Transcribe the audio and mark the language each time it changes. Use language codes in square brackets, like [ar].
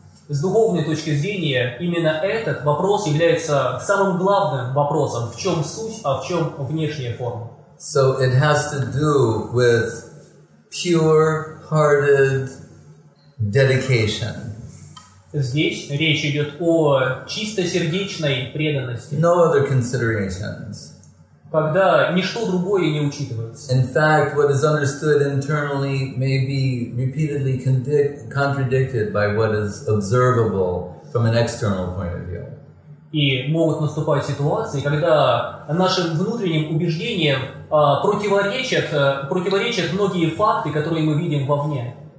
[ru] С духовной точки зрения, именно этот вопрос является самым главным вопросом. В чем суть, а в чем внешняя форма? [en] So it has to do with pure-hearted dedication. [ru] Здесь речь идет о чистосердечной преданности. [en] No other considerations. [ru] Когда ничто другое не учитывается. [en] In fact, what is understood internally may be repeatedly contradicted by what is observable from an external point of view. [ru] И могут наступать ситуации, когда нашим внутренним убеждениям противоречат многие факты, которые мы видим вовне.